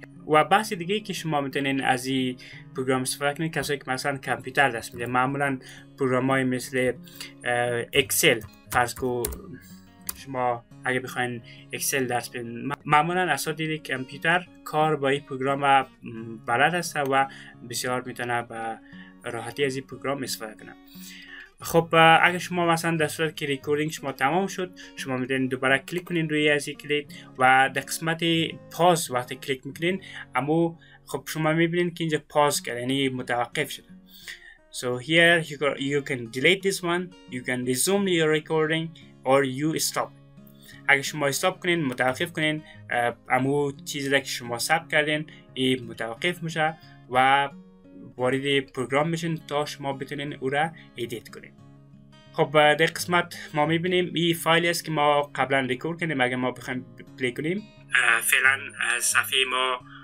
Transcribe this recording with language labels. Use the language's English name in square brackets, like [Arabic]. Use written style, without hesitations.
[Persian] و بحث دیگه که شما میتونین از این پروگرام استفاده کنین، کسایی که مثلا کامپیوتر دست میده، معمولا پروگرام های مثل اکسل، فرض کو شما اگه بخواین اکسل درس بدین، معمولا اساتید کامپیوتر کار با این پروگرام بلد هست و بسیار میتونه با راحتی از این پروگرام استفاده کنه. خب اگه شما مثلا در صورت که ریکوردینگ شما تمام شد، شما میتونین دوباره کلیک کنین روی از این کلید و در قسمت پاز وقتی کلیک میکنین، اما خب شما میبینین که اینجا پاز کرد، یعنی متوقف شد. [English] So here you can delete this one, you can resume your recording or you stop. [Persian] اگه شما استاپ کنین، متوقف کنین، امو چیزی که شما ثبت کردین این متوقف میشه و وارد پروگرام میشین تا شما بتونین او را ادیت کنین. خب در قسمت ما میبینیم این فایلی است که ما قبلا ریکورد کردیم. اگه ما بخوایم پلی کنیم، فعلا صفحه ما